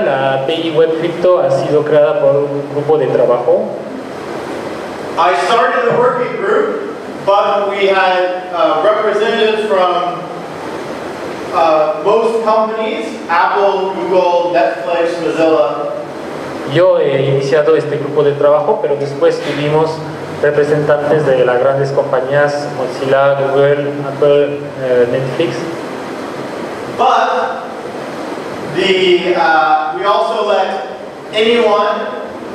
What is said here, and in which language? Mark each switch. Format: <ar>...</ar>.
<es>La API web crypto ha sido creada por un grupo de trabajo.</es> <en>I started the working group, but we had representatives from most companies: Apple, Google, Netflix, Mozilla.</en> <es>Yo he iniciado este grupo de trabajo, pero después tuvimos representantes de las grandes compañías: Mozilla, Google, Apple, Netflix.</es> <en>But we also let anyone</en>